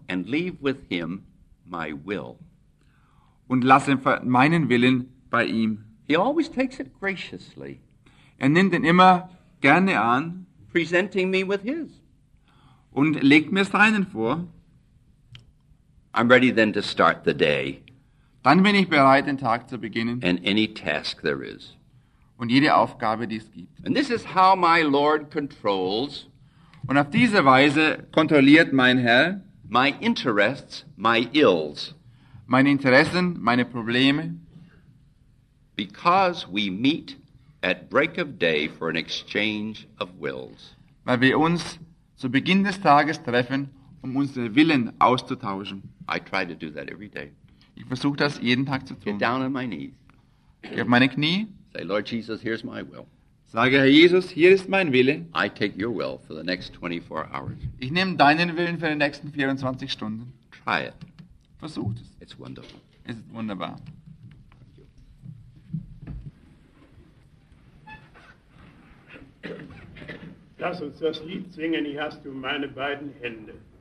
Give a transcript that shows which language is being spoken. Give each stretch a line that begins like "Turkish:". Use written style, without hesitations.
English: And leave with him my will.
German: Und lasse meinen Willen bei ihm.
English: He always takes it graciously.
German: Er nimmt ihn immer gerne an.
English: Presenting me with his.
German: Und legt mir seinen vor.
English: I'm ready then to start the day.
German: Dann bin ich bereit, den Tag zu beginnen.
English: And any task there is.
German: Und jede Aufgabe, die es gibt.
English: And this is how my Lord controls.
German: Und auf diese Weise kontrolliert mein Herr
English: my interests, my ills.
German: Meine Interessen, meine Probleme.
English: Because we meet at break of day for an exchange of wills.
German: Weil wir uns zu Beginn des Tages treffen, um unsere Willen auszutauschen.
English: I try to do that every day.
German: Ich versuche das jeden Tag zu tun.
English: Get down on my knees.
German: Ich habe meine Knie.
English: Say, Lord Jesus, here's my will.
German: Sage, Herr Jesus, hier ist mein Wille.
English: I take your will for the next 24 hours.
German: Ich nehme deinen Willen für die nächsten 24 Stunden.
English: Try it.
German: Versuch es.
English: It's wonderful.
German: Es ist wunderbar. Lass uns das Lied singen, hier hast du meine beiden Hände.